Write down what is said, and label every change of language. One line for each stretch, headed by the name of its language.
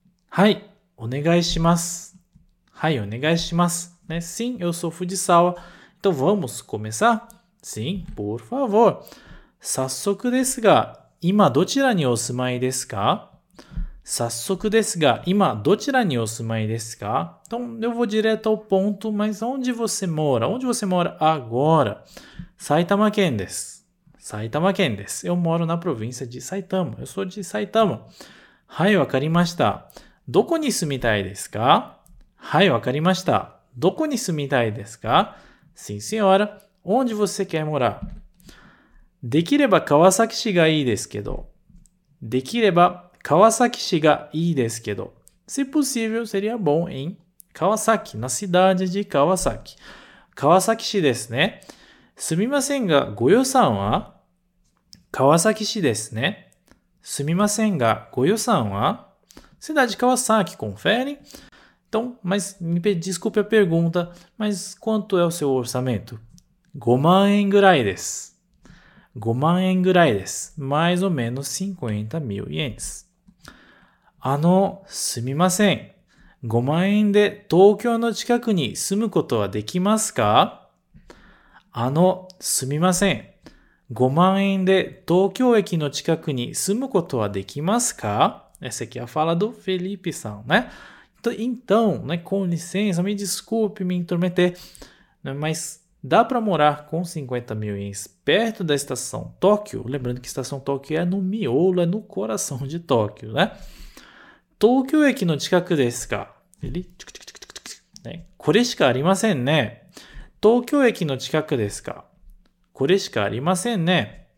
Japanese: はい、お願いします。はい、お願いします。
Portuguese: ね、Sim, eu sou Fujisawa. Então vamos começar? Sim, por favor.
Japanese: 早速ですが、今どちらにお住まいですか? 早速ですが、今どちらにお住まいですか?
Portuguese: Então, eu vou direto ao ponto, mas onde você mora? Onde você mora agora?
Japanese: 埼玉県です。埼玉県です。
Portuguese: Eu moro na província de Saitama. Eu sou de Saitama.
Japanese: はい、わかりました。どこに住みたいですか?はい、わかりました。どこに住みたいですか?
Portuguese: Sim, senhora. Onde você quer morar?
Japanese: できれば川崎市がいいですけど。できれば Kawasaki 市がいいですけど。
Portuguese: Se possível, seria bom em Kawasaki, na cidade de Kawasaki.
Japanese: Kawasaki 市ですね。すみませんが、ご予算は? Kawasaki 市ですね。すみませんが、ご予算は?
Portuguese: Cidade de Kawasaki, confere. Então, mas desculpe a pergunta, mas quanto é o seu orçamento?
Japanese: 5万円ぐらいです。5万円ぐらいです。
Portuguese: Mais ou menos 50 mil ienes.
Japanese: あの、すみません。 5万円で東京の近くに住むことはできますか? あの、すみません。 5万円で東京駅の近くに住むことはできますか?
Portuguese: Essa aqui é a fala do Felipe さんね。 Então, né, com licença, me desculpe me intrometer, mas dá para morar com 50 mil ienes perto da estação Tóquio? Lembrando que a estação Tóquio é no miolo, é no coração de Tóquio, né?
Japanese: 東京駅の近くですか? ちょくちょくちょくちょくちょく、ね、これしかありませんね。東京駅の近くですか? これしかありませんね。